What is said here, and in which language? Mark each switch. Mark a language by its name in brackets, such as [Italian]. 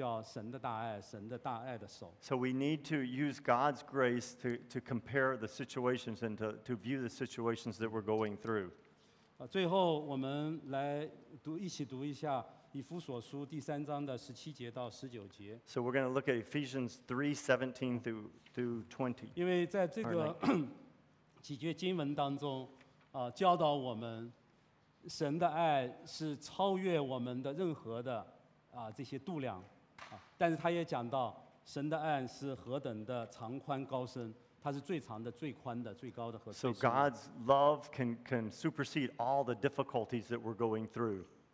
[Chinese] 所以在这个时候，我们要能够想象，我们要比较，我们要比较神的大爱，神的大爱的手。 [English] So we need to use God's grace to compare the situations and to view the situations that we're going through. [Chinese] 最后，我们来读一起读一下。以弗所书第三章的17节到19节。 [English] So we're going to look at Ephesians 3:17 through 20. [Chinese] 因为在这个几节经文当中，教导我们，神的爱是超越我们的任何的这些度量，但是他也讲到神的爱是何等的长宽高深，他是最长的、最宽的、最高的和最深的。 [English] So God's love can supersede all the difficulties that we're going through.